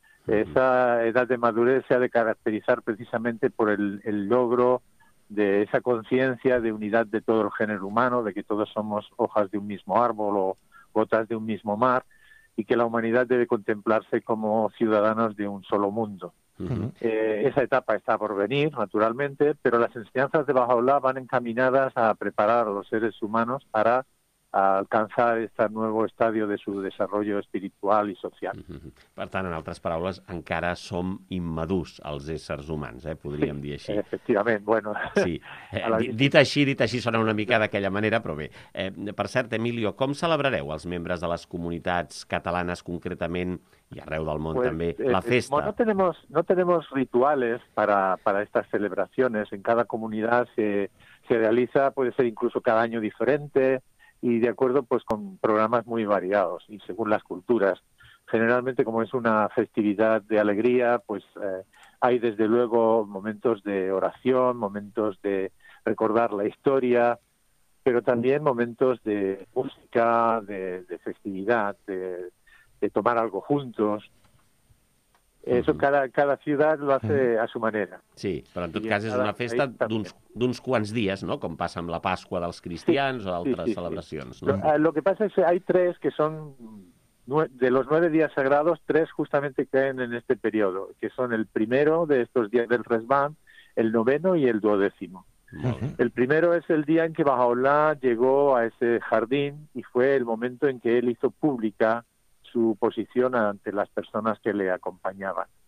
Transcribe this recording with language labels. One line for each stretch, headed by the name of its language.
Spanish: Esa edad de madurez se ha de caracterizar precisamente por el logro de esa conciencia de unidad de todo el género humano, de que todos somos hojas de un mismo árbol o gotas de un mismo mar, y que la humanidad debe contemplarse como ciudadanos de un solo mundo. Esa etapa está por venir, naturalmente, pero las enseñanzas de Bahá'u'lláh van encaminadas a preparar a los seres humanos para alcançar aquest nou estadi de su desarrollo espiritual i social.
Catalan: Per tant, en altres paraules, encara som immadurs els éssers humans, podríem sí, dir així. Efectivament, bueno. Sí. Dit així sona una mica d'aquella manera, però bé. Per cert, Emilio, com celebrareu els membres de les comunitats catalanes concretament i arreu del món també la festa?
Spanish: No tenemos rituales para estas celebraciones. En cada comunidad se realiza, puede ser incluso cada año diferente, y de acuerdo pues con programas muy variados y según las culturas. Generalmente, como es una festividad de alegría, pues hay desde luego momentos de oración, momentos de recordar la historia, pero también momentos de música, de festividad, de tomar algo juntos. Eso cada ciudad lo hace a su manera.
Catalan: Sí, però en tot cas és una festa d'uns quants dies, no? Com passa amb la Pasqua dels cristians o altres celebracions. Sí. No?
Spanish: Lo que pasa es que hay tres que son, de los 9 días sagrados, tres justamente caen en este periodo, que son el primero de estos días del Ridvan, el noveno y el duodécimo. El primero es el día en que Bajaola llegó a ese jardín y fue el momento en que él hizo pública su posición ante las personas que le acompañaban.